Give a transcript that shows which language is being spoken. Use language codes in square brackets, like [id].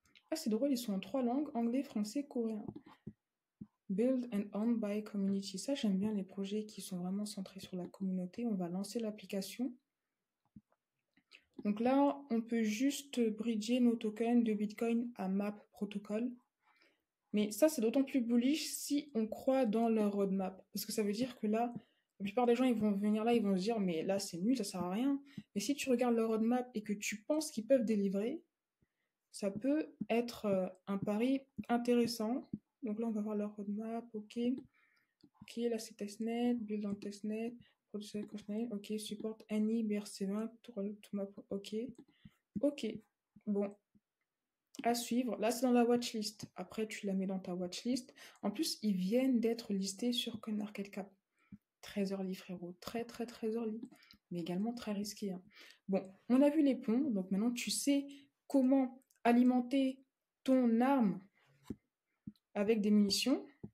[fr] Ah, c'est drôle, ils sont en 3 langues, anglais, français, coréen. [en] Build and own by community. [fr] Ça, j'aime bien les projets qui sont vraiment centrés sur la communauté. On va lancer l'application. Donc là, on peut juste bridger nos tokens de Bitcoin à MAP protocol. Mais ça, c'est d'autant plus bullish si on croit dans leur roadmap. Parce que ça veut dire que là, la plupart des gens, ils vont venir là, ils vont se dire, mais là, c'est nul, ça sert à rien. Mais si tu regardes leur roadmap et que tu penses qu'ils peuvent délivrer, ça peut être un pari intéressant. Donc là, on va voir leur roadmap. OK. OK, là, c'est testnet, build en testnet, producer testnet. [en] OK, support any BRC20, roadmap. [fr] OK. OK. Bon. À suivre. Là, c'est dans la watchlist. Après, tu la mets dans ta watchlist. En plus, ils viennent d'être listés sur CoinMarketCap. Très early, frérot. Très, très, très early. Mais également très risqué, hein. Bon, on a vu les ponts. Donc maintenant, tu sais comment alimenter ton arme avec des munitions.